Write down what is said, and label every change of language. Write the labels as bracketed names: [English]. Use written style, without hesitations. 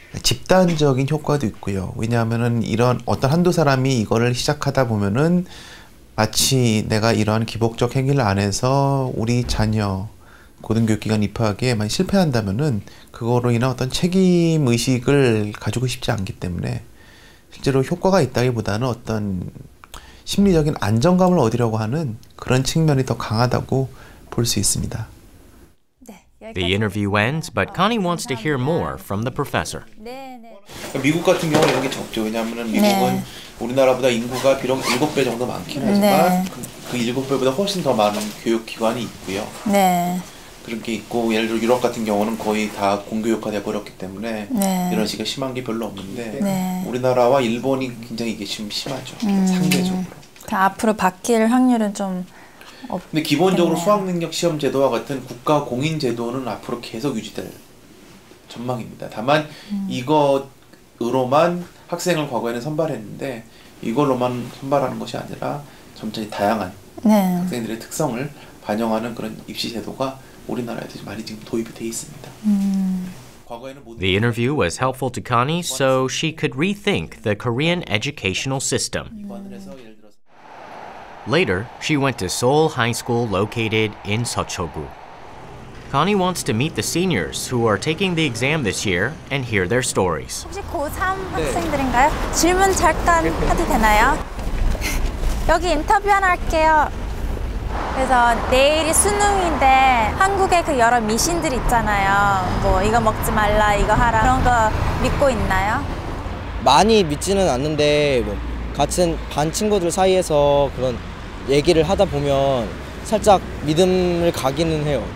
[Korean] 집단적인 효과도 있고요. 왜냐하면은 이런 어떤 한두 사람이 이거를 시작하다 보면은 마치 내가 이러한 기복적 행위를 안 해서 우리 자녀 고등교육 기관 입학에 만약 실패한다면은 그거로 인한 어떤 책임 의식을 가지고 싶지 않기 때문에 실제로 효과가 있다기보다는 어떤 심리적인 안정감을 얻으려고 하는 그런 측면이 더 강하다고 볼 수 있습니다. [English] The interview ends, but Connie wants to hear more from the professor. [Korean] 네. 미국 같은 경우 이런 게 적죠. 왜냐하면은 미국은 네. 우리나라보다 인구가 비록 7배 정도 많긴 하지만 네. 그 7배보다 훨씬 더 많은 교육 기관이 있고요. 네. 그런 게 있고 예를 들어 유럽 같은 경우는 거의 다 공교육화 돼 버렸기 때문에 네. 이런 식의 심한 게 별로 없는데 네. 우리나라와 일본이 굉장히 이게 지금 심하죠. 상대적으로. 다 앞으로 바뀔 확률은 좀. 근데 기본적으로 수학능력시험제도와 같은 국가공인제도는 앞으로 계속 유지될 전망입니다. 다만 이것으로만 학생을 과거에는 선발했는데 이걸로만 선발하는 것이 아니라 점차 다양한 네. 학생들의 특성을 반영하는 그런 입시제도가 우리나라에도 많이 지금 도입이 되어 있습니다. [English] The interview was helpful to Connie so she could rethink the Korean educational system. Later, she went to Seoul High School located in Seocho-gu. Connie wants to meet the seniors who are taking the exam this year and hear their stories. [Korean] 혹시 고3 학생들인가요? 질문 잠깐 해도 되나요? 여기 인터뷰 하나 할게요. 그래서 내일이 수능인데 한국에 그 여러 미신들 있잖아요. 뭐 이거 먹지 말라, 이거 하라 그런 거 믿고 있나요? 많이 믿지는 않는데 뭐 같은 반 친구들 사이에서 그런 얘기를 하다 보면 살짝 믿음을 가기는 해요.